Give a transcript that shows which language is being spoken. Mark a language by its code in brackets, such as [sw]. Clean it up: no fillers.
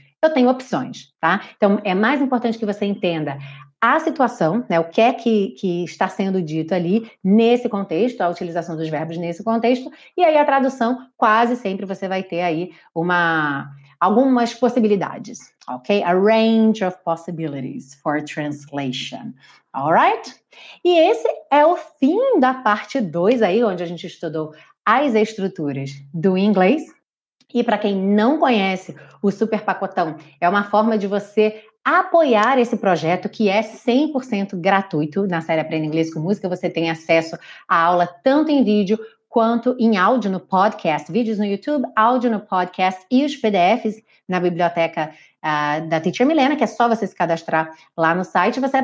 [pt] Eu tenho opções, tá? Então, é mais importante que você entenda a situação, né? O que é que está sendo dito ali nesse contexto, a utilização dos verbos nesse contexto. E aí, a tradução, quase sempre você vai ter aí algumas possibilidades, ok? [en] A range of possibilities for translation, all right? [pt] E esse é o fim da parte 2 aí, onde a gente estudou as estruturas do inglês. E para quem não conhece o Super Pacotão, é uma forma de você apoiar esse projeto que é 100% gratuito. Na série Aprenda Inglês com Música, você tem acesso à aula tanto em vídeo quanto em áudio no podcast, vídeos no YouTube, áudio no podcast e os PDFs na biblioteca da Teacher Milena, que é só você se cadastrar lá no site.